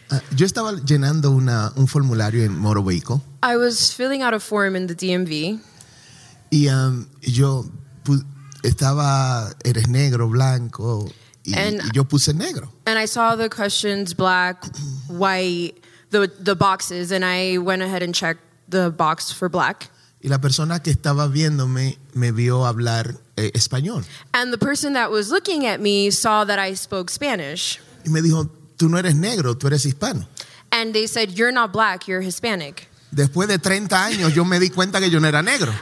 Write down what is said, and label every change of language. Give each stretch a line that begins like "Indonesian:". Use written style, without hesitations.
Spanish: Yo estaba llenando un formulario en
English: motor vehicle. I was filling out a form in the DMV.
Spanish: Y yo estaba, eres negro, blanco, y yo puse negro.
English: And I saw the questions, black, white, the boxes, and I went ahead and checked the box for black.
Spanish: Y la persona que estaba viéndome me vio hablar español.
English: And the person that was looking at me saw that I spoke Spanish.
Spanish: Y me dijo, tú no eres negro, tú eres hispano.
English: And they said, you're not black, you're Hispanic.
Spanish: Después de 30 años, yo me di cuenta que yo no era negro.